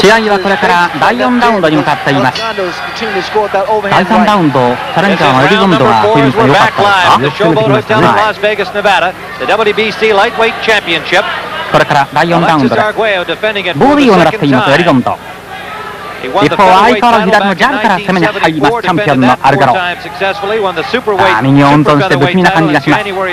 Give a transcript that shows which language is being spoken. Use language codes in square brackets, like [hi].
[ja] 試合はこれから第4ラウンドに向かっています。第3ラウンド、チャレンジャーのエリゾンドはフィニッシュ良かったですか？ [en] The show will return to Las Vegas, Nevada, the WBC Lightweight Championship. [ja] これから第4ラウンドです。ボディを狙っています、エリゾンド。一方相変わらず左のジャブから攻めに入りますチャンピオンのアルガロ。ああ右を温存して不気味な感じがします。